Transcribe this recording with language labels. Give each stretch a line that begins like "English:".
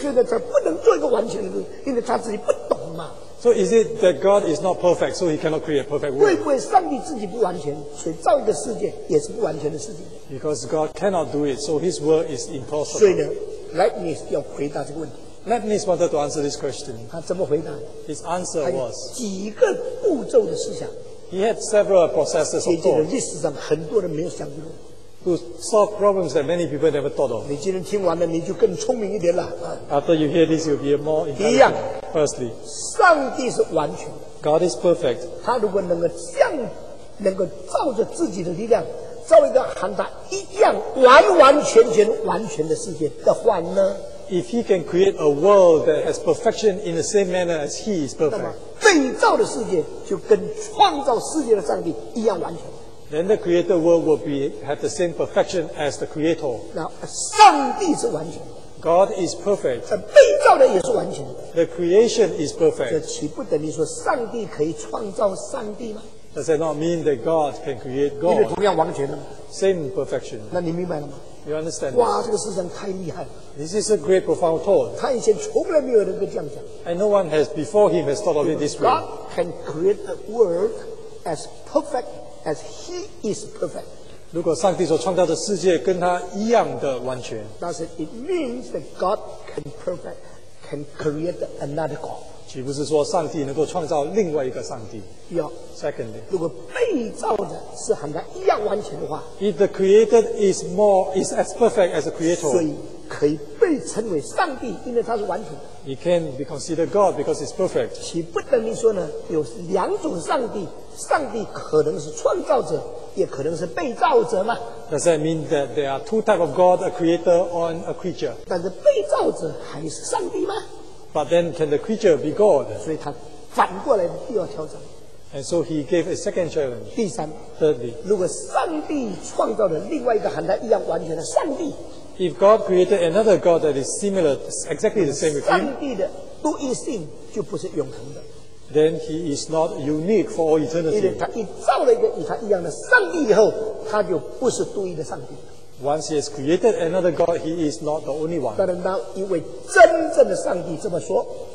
Chinese: 所以他不能做一个完全的东西，因为他自己不懂嘛。
English: So is it that God is not perfect, so he cannot create a perfect world?
Chinese: 会不会上帝自己不完全，所以造一个世界也是不完全的世界？
English: Because God cannot do it, so his world is impossible.
Chinese: 所以呢， Leibniz 要回答这个问题。
English: Leibniz wanted to answer this question.
Chinese: 他怎么回答？
English: His answer was,
Chinese: 几个步骤的思想。
English: He had several processes of thought.
Chinese: 也就是历史上很多人没有想过。
English: To solve problems that many people never thought of.
Chinese: 你今天听完了，你就更聪明一点了。
English: After you hear this, you'll be more intelligent.
Chinese: 一样。
English: Firstly,
Chinese: 上帝是完全的。
English: God is perfect.
Chinese: 他如果能够像，能够照着自己的力量，造一个和他一样完完全全完全的世界的话呢？
English: If he can create a world that has perfection in the same manner as he is perfect.
Chinese: 那么被造的世界就跟创造世界的上帝一样完全。
English: Then the created world will be have the same perfection as the creator.
Chinese: Now, 上帝是完全的。
English: God is perfect.
Chinese: 被造的也是完全的。
English: The creation is perfect.
Chinese: 这岂不等于说上帝可以创造上帝吗？
English: Does that not mean that God can create God?
Chinese: 因为同样完全的吗？
English: Same perfection.
Chinese: 那你明白了吗？
English: You understand?
Chinese: 哇，这个思想太厉害了。
English: This is a great profound thought.
Chinese: 他以前从来没有人跟这样讲。
English: And no one has before him has thought of it this way. God can create the world as perfect as he is perfect.
Chinese: 如果上帝所创造的世界跟他一样的完全，
English: Does it, it means that God can perfect, can create another God.
Chinese: 岂不是说上帝能够创造另外一个上帝？
English: Yeah. Secondly,
Chinese: 如果被造的是和他一样完全的话，
English: If the created is more, is as perfect as the creator,
Chinese: 所以可以被称为上帝，因为他是完全的。
English: He can be considered God because he's perfect.
Chinese: 岂不等于说呢，有两种上帝，上帝可能是创造者，也可能是被造者吗？
English: Does that mean that there are two types of God, a creator and a creature?
Chinese: 但是被造者还是上帝吗？
English: But then can the creature be God?
Chinese: 所以他反过来的第二挑战。
English: And so he gave a second challenge.
Chinese: 第三。
English: Thirdly.
Chinese: 如果上帝创造了另外一个和他一样完全的上帝。
English: If God created another God that is similar, exactly the same with him.
Chinese: 上帝的独一性就不是永恒的。
English: Then he is not unique for all eternity.
Chinese: 因为他一造了一个与他一样的上帝以后，他就不是独一的上帝。
English: Once he has created another God, he is not the only one.
Chinese: 但是当一位真正的上帝这么说，